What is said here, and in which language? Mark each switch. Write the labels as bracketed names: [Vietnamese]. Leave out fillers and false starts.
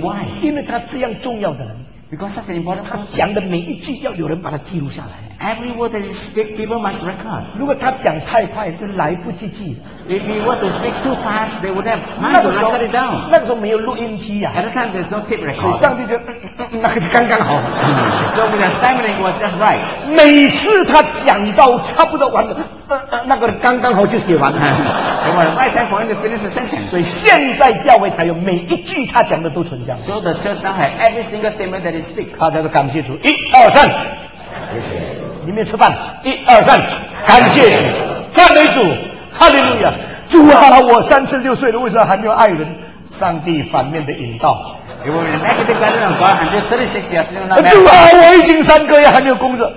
[English] Why? [Chinese] 因为他这样重要的人。 [English] Because such an important person. [Chinese] 他讲的每一句要有人把它记录下来。 [English] Every word that he speaks, people must record. [Chinese] 如果他讲太快，就来不及记。 [English] If he were to speak too fast, they would have time to record it down. [Chinese] 那个时候没有录音机呀。 [English] At that time, there's no tape record. [Chinese] 所以上帝就那个就刚刚好。 [English] So with the stamina, it was just right. [Chinese] 每次他讲到差不多完了。那个刚刚好就写完了。 [English] Well, right time for him to finish the sentence. [Chinese] 所以现在教会才有每一句他讲的都存下来。 [English] So the church now has every single statement that he speaks. [Chinese] 大家都感谢主，一二三，谢谢。你们吃饭，一二三，感谢主，赞美主，哈利路亚，主啊，我三十六岁了，为什么还没有爱人？上帝反面的引导。 [English] It will be negative pattern of God until 36 years still not married. [Chinese] 主啊，我已经三个月还没有工作。